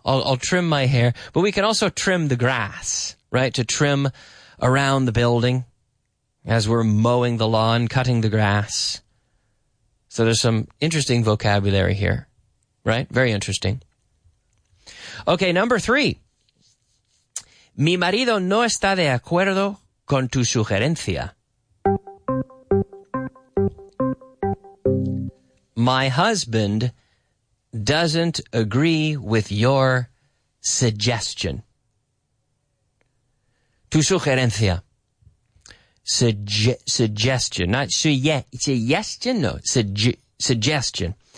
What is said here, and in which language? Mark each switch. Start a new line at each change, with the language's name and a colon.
English: I'll trim my hair, but we can also trim the grass, right? To trim around the building as we're mowing the lawn, cutting the grass. So there's some interesting vocabulary here, right? Very interesting. Okay, number three.
Spanish: Mi marido no está de acuerdo con tu sugerencia.
English: My husband doesn't agree with your suggestion.
Spanish: Tu sugerencia.
English: Suggestion. Not suggestion, no. Suggestion.